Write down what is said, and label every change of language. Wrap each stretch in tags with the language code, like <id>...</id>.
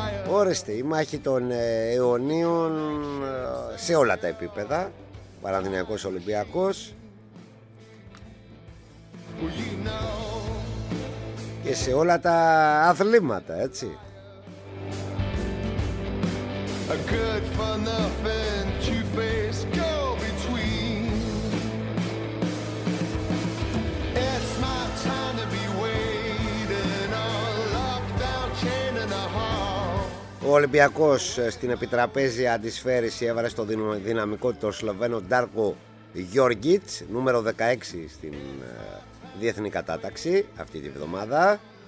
<el>Ορίστε, η μάχη των αιωνίων σε όλα τα επίπεδα. Παναθηναϊκός Ολυμπιακός. Και σε όλα τα αθλήματα, έτσι.</el> <en>A good for nothing, two-faced go-between. It's my time to be waiting on lockdown, chain in the heart.</en> <el>Ο Ολυμπιακός στην επιτραπέζια αντισφαίρηση έβαλε στο δυναμικό το Σλοβαίνο Ντάρκο Γιόργιτς, νούμερο 16 στην διεθνή κατάταξη αυτή τη βδομάδα.</el>